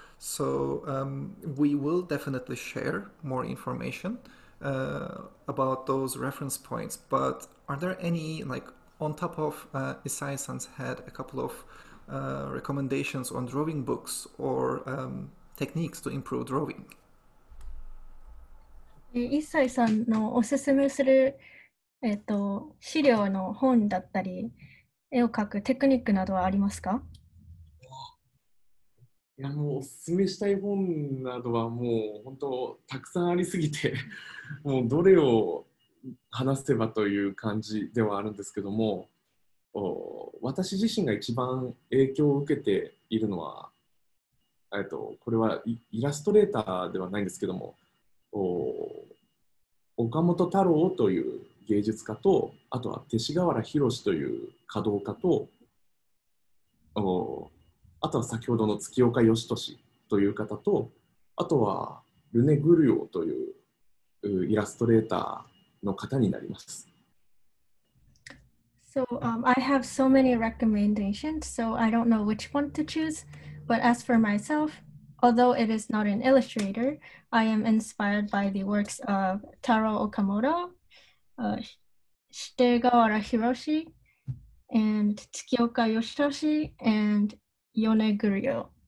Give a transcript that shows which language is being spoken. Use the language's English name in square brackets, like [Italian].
[English] So we will definitely share more information about those reference points, but are there any, like, on top of Isai-san's head, a couple of recommendations on drawing books or techniques to improve drawing? [Japanese] Isai-san のおすすめする資料の本だったり絵を描くテクニックなどはありますか？いや、もうおすすめしたい本などはもう本当たくさんありすぎて、もうどれを話せばという感じではあるんですけども、私自身が一番影響を受けているのは、これはイラストレーターではないんですけども、岡本太郎という芸術家と、あとは勅使川原宏という華道家と、あとは先ほどの月岡義俊という方と、あとはルネ・グルヨーというイラストレーターの方になります。 [English] So, I have so many recommendations, so I don't know which one to choose. But as for myself, although it is not an illustrator, I am inspired by the works of Taro Okamoto, Shitegawara Hiroshi, and Tsukioka Yoshitoshi, and Yone Guryo.